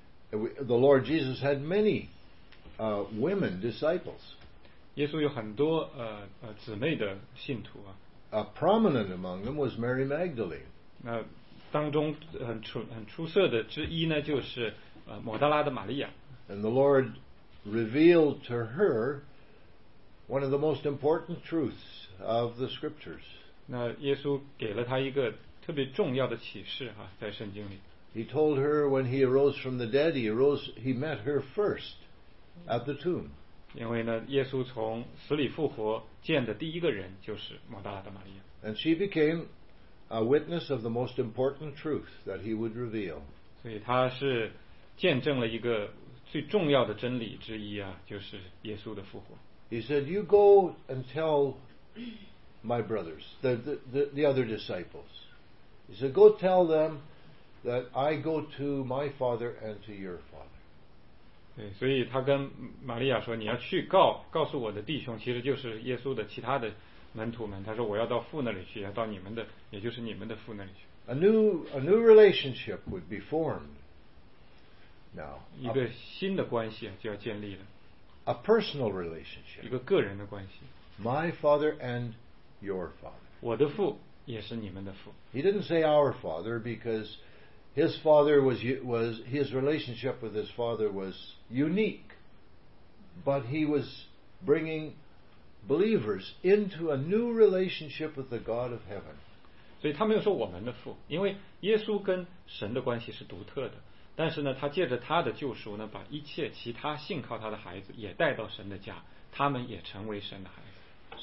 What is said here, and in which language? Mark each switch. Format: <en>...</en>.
<en>The Lord Jesus had many women disciples.</en> <zh>耶稣有很多姊妹的信徒啊。</zh> <en>A prominent among them was Mary Magdalene.</en> <zh>那当中很出色的之一呢，就是抹大拉的玛利亚。</zh> <en>And the Lord revealed to her one of the most important truths of the Scriptures.</en> <zh>那耶稣给了她一个特别重要的启示哈，在圣经里。</zh> <en>He told her when he arose from the dead, he met her first at the tomb.</en> <zh>因为呢，耶稣从死里复活见的第一个人就是抹大拉的玛利亚。</zh> <en>And she became a witness of the most important truth that he would reveal.</en> <zh>所以她是见证了一个最重要的真理之一啊，就是耶稣的复活。</zh> <en>He said, "You go and tell my brothers, the other disciples." He said, "Go tell them that I go to my Father and to your Father."</en> <zh>对，所以他跟玛利亚说，你要去告诉我的弟兄，其实就是耶稣的其他的门徒们，他说我要到父那里去，要到你们的，也就是你们的父那里去。</zh> <en>A new relationship would be formed now.</en> <zh>一个新的关系就要建立了。</zh> <en>A personal relationship.</en> <zh>一个个人的关系。</zh> <en>My father and your father.</en> <zh>我的父也是你们的父。</zh> <en>He didn't say our father because... His father was his relationship with his father was unique, but he was bringing believers into a new relationship with the God of heaven.</en> <zh>所以他没有说我们的父，因为耶稣跟神的关系是独特的。但是呢，他借着他的救赎呢，把一切其他信靠他的孩子也带到神的家，他们也成为神的孩子。</zh>